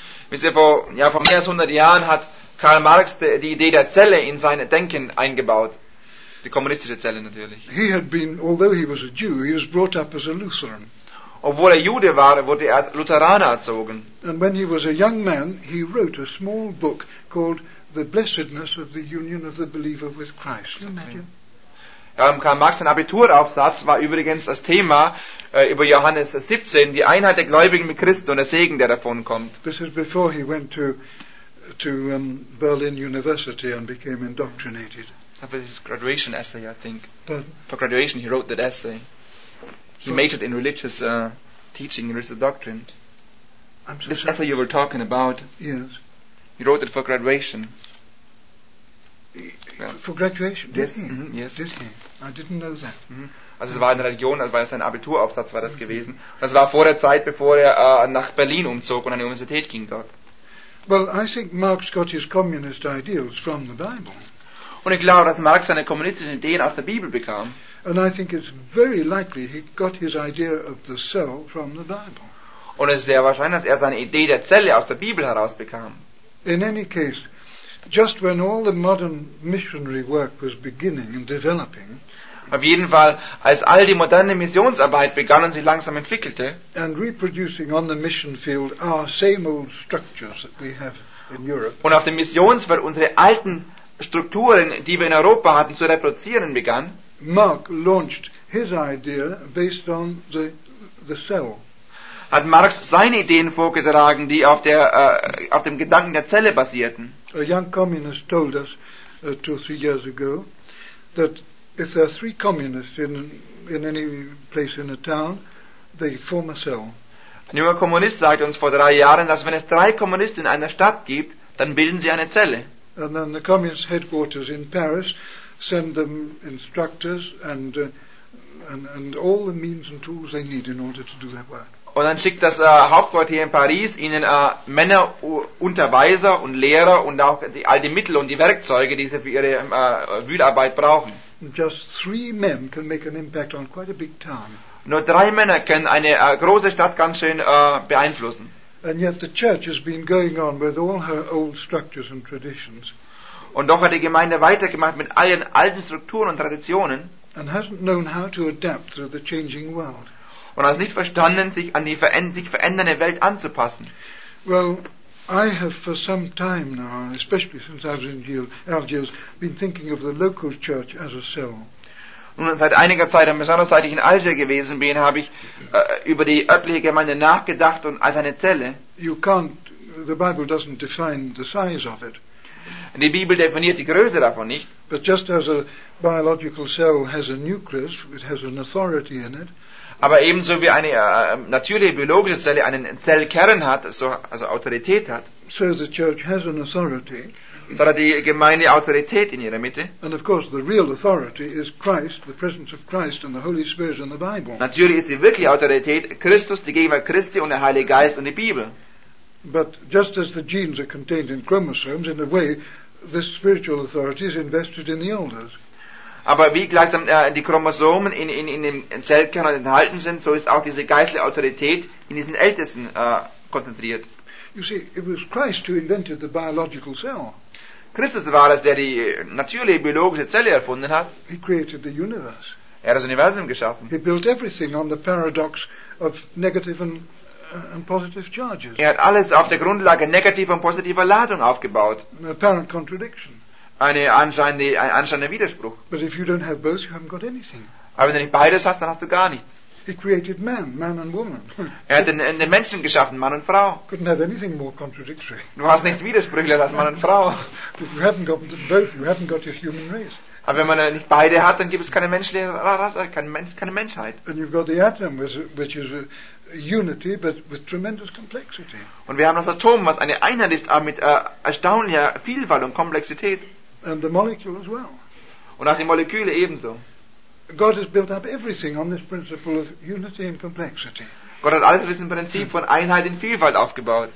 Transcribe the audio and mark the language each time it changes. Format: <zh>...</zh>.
<de>Wisst ihr, vor mehr als 100 Jahren hat Karl Marx die Idee der Zelle in sein Denken eingebaut. Die kommunistische Zelle natürlich.</de> <en>He had been, although he was a Jew, he was brought up as a Lutheran.</en> <de>Obwohl er Jude war, wurde er als Lutheraner erzogen.</de> <en>And when he was a young man, he wrote a small book called The Blessedness of the Union of the Believer with Christ. Can you imagine?</en> <de>Karl Marx, sein Abituraufsatz war übrigens das Thema über Johannes 17, die Einheit der Gläubigen mit Christen und der Segen, der davon kommt.</de> <en>This is before he went to Berlin University and became indoctrinated. That was his graduation essay, I think. For graduation, he wrote that essay. He majored in religious teaching, in religious doctrine. This essay you were talking about. Yes. He wrote it for graduation. For graduation? Yes. Did he? Mm-hmm. Yes. Did he? I didn't know that. Mm-hmm.</en> <de>Also es war in der Religion, also war sein Abituraufsatz war das mm-hmm. gewesen. Das war vor der Zeit, bevor er nach Berlin umzog und an die Universität ging dort.</de> <en>Well, I think Marx got his communist ideals from the Bible.</en> <de>Und ich glaube, dass Marx seine kommunistischen Ideen aus der Bibel bekam.</de> <en>And I think it's very likely he got his idea of the cell from the Bible.</en> <de>Und es ist sehr wahrscheinlich, dass er seine Idee der Zelle aus der Bibel herausbekam.</de> <en>In any case, just when all the modern missionary work was beginning and developing,</en> <de>auf jeden Fall, als all die moderne Missionsarbeit begann und sich langsam entwickelte,</de> <en>and reproducing on the mission field our same old structures that we have in Europe,</en> <de>und auf dem Missionsfeld unsere alten Strukturen, die wir in Europa hatten, zu reproduzieren begann,</de> <en>Mark launched his idea based on the cell.</en> <de>Hat Marx seine Ideen vorgetragen, die auf dem Gedanken der Zelle basierten.</de> <en>A young communist told us 2 or 3 years ago that if there are 3 communists in any place in a town, they form a cell.</en> <de>Ein junger Kommunist sagte uns vor 3 Jahren, dass wenn es 3 Kommunisten in einer Stadt gibt, dann bilden sie eine Zelle.</de> <en>And then the communist headquarters in Paris send them instructors and all the means and tools they need in order to do that work.</en> <de>Und dann schickt das Hauptquartier in Paris ihnen Männer, Unterweiser und Lehrer und auch all die Mittel und die Werkzeuge, die sie für ihre Wühlarbeit brauchen.</de> <en>Just 3 men can make an impact on quite a big town.</en> <de>Nur 3 Männer können eine große Stadt ganz schön beeinflussen.</de> <en>And yet the church has been going on with all her old structures and traditions.</en> <de>Und doch hat die Gemeinde weitergemacht mit allen alten Strukturen und Traditionen.</de> <en>And hasn't known how to adapt to the changing world.</en> <de>Und hat nicht verstanden, sich an die sich verändernde Welt anzupassen.</de> <en>Well, I have for some time now, especially since I was in Algiers, been thinking of the local church as a cell.</en> <de>Nun, seit einiger Zeit, und besonders seit ich in Algier gewesen bin, habe ich über die örtliche Gemeinde nachgedacht und als eine Zelle.</de> <en>You can't, the Bible doesn't define the size of it.</en> <de>Die Bibel definiert die Größe davon nicht.</de> <en>But just as a biological cell has a nucleus, it has an authority in it.</en> <de>Aber ebenso wie eine natürliche biologische Zelle einen Zellkern hat, also Autorität hat,</de> <en>so the church has an authority.</en> <de>Da hat die Gemeinde Autorität in ihrer Mitte.</de> <en>And of course the real authority is Christ, the presence of Christ and the Holy Spirit in the Bible.</en> <de>Natürlich ist die wirkliche Autorität Christus, die Gegenwart Christi und der Heilige Geist und die Bibel.</de> <en>But just as the genes are contained in chromosomes, in a way, this spiritual authority is invested in the elders.</en> <de>Aber wie gleichsam die Chromosomen in dem Zellkern enthalten sind, so ist auch diese geistliche Autorität in diesen Ältesten konzentriert.</de> <en>You see, it was Christ who invented the biological cell.</en> <de>Christus war es, der die natürliche biologische Zelle erfunden hat.</de> <en>He created the universe.</en> <de>Er hat das Universum geschaffen.</de> <en>He built everything on the paradox of negative and positive charges.</en> <de>Er hat alles auf der Grundlage negativer und positiver Ladung aufgebaut.</de> <en>An apparent contradiction.</en> <de>Ein anscheinender Widerspruch.</de> <en>But if you don't have both, you haven't got anything.</en> <de>Aber wenn du nicht beides hast, dann hast du gar nichts.</de> <en>He created man and woman.</en> <de>Er hat den Menschen geschaffen, Mann und Frau.</de> <en>Couldn't have anything more contradictory.</en> <de>Du hast nichts widersprüchlicher als Mann und Frau.</de> <en>But you haven't got both, you haven't got your human race.</en> <de>Aber wenn man nicht beide hat, dann gibt es keine menschliche Rasse, keine Menschheit.</de> <en>And you've got the atom, which is a unity, but with tremendous complexity.</en> <de>Und wir haben das Atom, was eine Einheit ist, aber mit erstaunlicher Vielfalt und Komplexität.</de> <en>And the molecule as well.</en> <de>Und auch die Moleküle ebenso.</de> <en>God has built up everything on this principle of unity and complexity.</en> <de>Gott hat alles auf diesem Prinzip von Einheit in Vielfalt aufgebaut.</de>